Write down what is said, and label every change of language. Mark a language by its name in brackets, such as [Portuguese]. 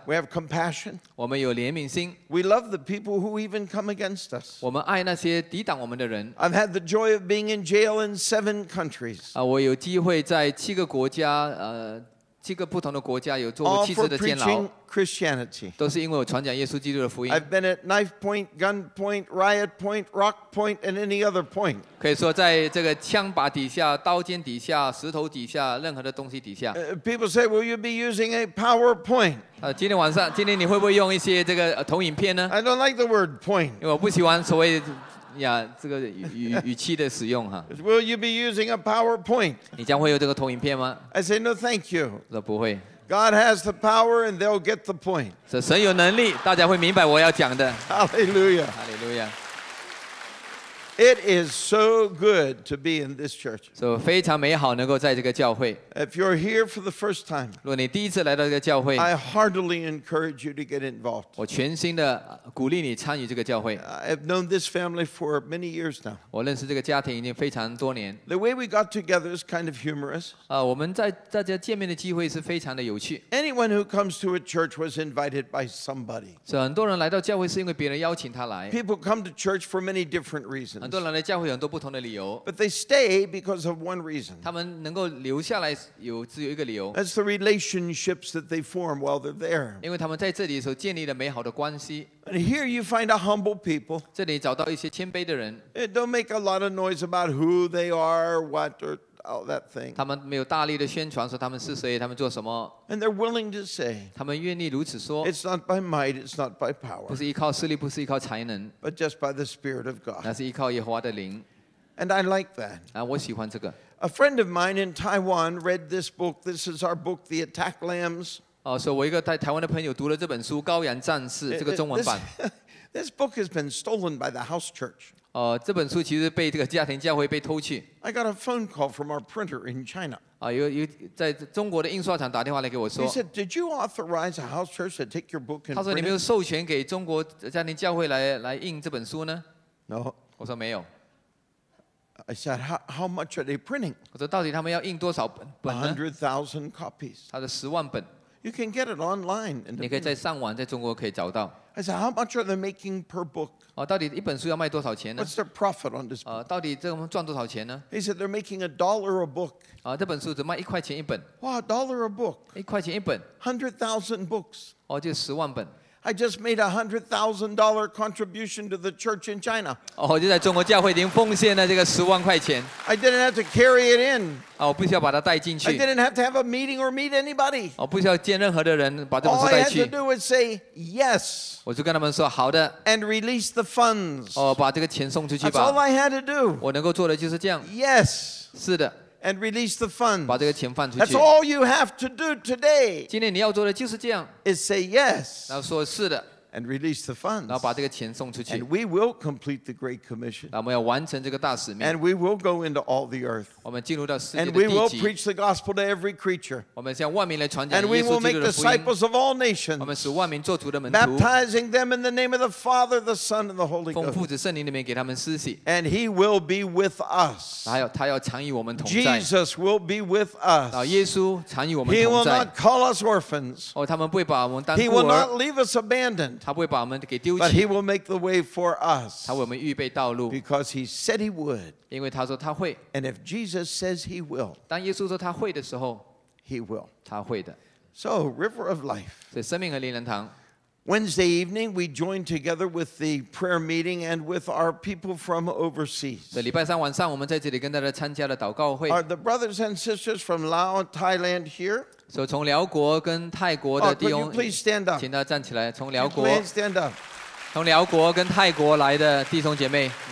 [English] We have compassion. [Chinese] 我们有怜悯心。 [English] We love the people who even come against us. [Chinese] 我们爱那些抵挡我们的人。 [English] I've had the joy of being in jail in 7 countries. [Chinese] 我有机会在七个国家，七个不同的国家有坐过七次的监牢。 [English] All for preaching Christianity. [Chinese] 都是因为我传讲耶稣基督的福音。 [English] I've been at knife point, gun point, riot point, rock point, and any other point. [Chinese] 可以说在这个枪靶底下、刀尖底下、石头底下、任何的东西底下。 [English] People say, will you be using a PowerPoint? [Chinese] 今天晚上，今天你会不会用一些这个投影片呢 [English] ？I don't like the word point. [Chinese] 因为我不喜欢所谓。呀，这个语气的使用哈。 [English] Will you be using a PowerPoint? [Chinese] 你将会有这个投影片吗 [English] ？I say no, thank you. [Chinese] 说不会。 [English] God has the power, and they'll get the point. [Chinese] 神有能力，大家会明白我要讲的。 [English] Hallelujah. Hallelujah. It is so good to be in this church. [Chinese] 非常美好，能够在这个教会。 [English] If you're here for the first time, [Chinese] 如果你第一次来到这个教会 [English] ，I heartily encourage you to get involved. [Chinese] 我全心的鼓励你参与这个教会。 [English] I've known this family for many years now. [Chinese] 我认识这个家庭已经非常多年。 [English] The way we got together is kind of humorous. [Chinese] 我们在大家见面的机会是非常的有趣。 [English] Anyone who comes to a church was invited by somebody. [Chinese] 很多人来到教会是因为别人邀请他来。 [English] People come to church for many different reasons. [Chinese] 很多人来教会有很多不同的理由 [English] ，But they stay because of one reason. [Chinese] 他们能够留下来只有一个理由 [English] ，That's the relationships that they form while they're there. [Chinese] 因为他们在这里所建立的美好的关系。 [English] And here you find a humble people. [Chinese] 这里找到一些谦卑的人。 [English] It don't make a lot of noise about who they are, what or all that thing. [Chinese] 他们没有大力的宣传说他们是谁，他们做什么。 [English] And they're willing to say. [Chinese] 他们愿意如此说。 [English] It's not by might. It's not by power. [Chinese] 不是依靠势力，不是依靠才能。 [English] But just by the Spirit of God. [Chinese] 那是依靠耶和华的灵。 [English] And I like that. [Chinese] 我喜欢这个。 [English] A friend of mine in Taiwan read this book. This is our book, The Attack Lambs. [Chinese] 所以我一个在台湾的朋友读了这本书《羔羊战士》这个中文版。 [English] This book has been stolen by the house church. [Chinese] 这本书其实被这个家庭教会被偷去。 [English] I got a phone call from our printer in China. [Chinese] 有在中国的印刷厂打电话来给我说。 [English] He said, "Did you authorize a house church to take your book?" [Chinese] 他说你没有授权给中国家庭教会来印这本书呢 [English] ？No. [Chinese] 我说没有。 [English] I said, "How much are they printing?" [Chinese] 我说到底他们要印多少本呢 [English] ？100,000 copies. [Chinese] 他的100,000本。 [English] You can get it online. [Chinese] 你可以在上网，在中国可以找到。 [English] I said, "How much are they making per book?" [Chinese] 到底一本书要卖多少钱呢 [English] ？What's their profit on this? [Chinese] 到底这我们赚多少钱呢 [English] ？He said they're making $1 a book. [Chinese] 这本书只卖$1一本。 [English] Wow, $1 a book. [Chinese] $1一本。 [English] 100,000 books. [Chinese] 就100,000本。 [English] I just made $100,000 contribution to the church in China. [Chinese] 就在中国教会已经奉献了这个10,000块钱。 [English] I didn't have to carry it in. [Chinese] 我不需要把它带进去。 [English] I didn't have to have a meeting or meet anybody. [Chinese] 不需要见任何的人把这本书带去。 [English] All I had to do was say yes. [Chinese] 我就跟他们说好的。 [English] And release the funds. [Chinese] 把这个钱送出去吧。 [English] That's all I had to do. [Chinese] 我能够做的就是这样。 [English] Yes. [Chinese] 是的。 [English] And release the funds. [Chinese] 把这个钱放出去。 [English] That's all you have to do today. [Chinese] 今天你要做的就是这样。 [English] Is say yes. [Chinese] 然后说是的。 [English] And release the funds. [Chinese] 然后把这个钱送出去。 [English] And we will complete the Great Commission. [Chinese] 我们要完成这个大使命。 [English] And we will go into all the earth. [Chinese] 我们进入到世界的地极。 [English] And we will preach the gospel to every creature. [Chinese] 我们向万民来传讲耶稣基督的 [English] And we will make disciples of all nations. [Chinese] 我们使万民做主的门徒。 [English] Baptizing them in the name of the Father, the Son, and the Holy Ghost. [Chinese] 奉父子圣灵的名给他们施洗。 [English] And he will be with us. [Chinese] 他要常与我们同在。 [English] Jesus will be with us. [Chinese] 耶稣常与我们同 [English] 在。He will not call us orphans. [Chinese] 他们不会把我们当孤儿。 [English] He will not leave us abandoned. But he will make the way for us. [Chinese] 他为我们预备道路 [English] Because he said he would. [Chinese] 因为他说他会 [English] And if Jesus says he will, [Chinese] 当耶稣说他会的时候 [English] he will. [Chinese] 他会的 [English] So River of Life. [Chinese] 所以生命和灵粮堂 [English] Wednesday evening, we joined together with the prayer meeting and with our people from overseas. [Chinese] 礼拜三晚上我们在这里跟大家参加了祷告会 [English] Are the brothers and sisters from Laos, Thailand here? [Chinese] 所以从辽国跟泰国的弟兄，请他站起来。从辽国跟泰国来的弟兄姐妹